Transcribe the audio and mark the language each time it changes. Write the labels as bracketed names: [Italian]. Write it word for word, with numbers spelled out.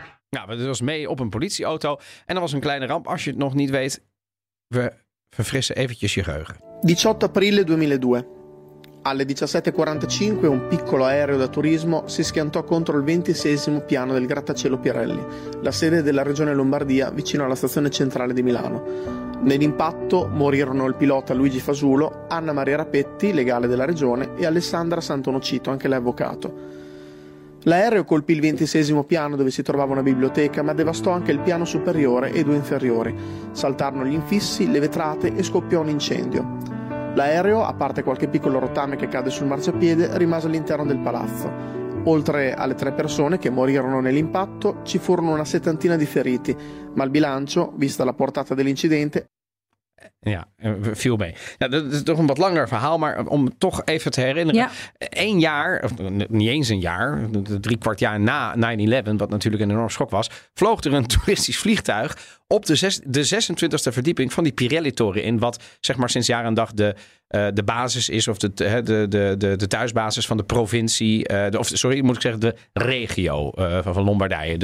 [Dutch] Nou, dat was mee op een politieauto en er was een kleine ramp. Als je het nog niet weet, we verfrissen eventjes je geheugen. [Italian] diciotto aprile duemiladue. Alle diciassette e quarantacinque un piccolo aereo da turismo si schiantò contro il ventiseiesimo piano del grattacielo Pirelli, la sede della regione Lombardia vicino alla stazione centrale di Milano. Nell'impatto morirono il pilota Luigi Fasulo, Anna Maria Rapetti, legale della regione, e Alessandra Santonocito, anche lei avvocato. L'aereo colpì il ventiseiesimo piano dove si trovava una biblioteca, ma devastò anche il piano superiore e due inferiori. Saltarono gli infissi, le vetrate e scoppiò un incendio. L'aereo, a parte qualche piccolo rottame che cade sul marciapiede, rimase all'interno del palazzo. Oltre alle tre persone che morirono nell'impatto, ci furono una settantina di feriti, ma il bilancio, vista la portata dell'incidente... [Dutch] Ja, viel mee. Ja, dat is toch een wat langer verhaal, maar om toch even te herinneren. Ja. Eén jaar, of niet eens een jaar, drie kwart jaar na nine eleven, wat natuurlijk een enorm schok was, vloog er een toeristisch vliegtuig op de, zes, de zesentwintigste verdieping van die Pirelli-toren in, wat zeg maar sinds jaar en dag de, uh, de basis is, of de, de, de, de, de thuisbasis van de provincie, uh, de, of sorry, moet ik zeggen, de regio uh, van, van Lombardije.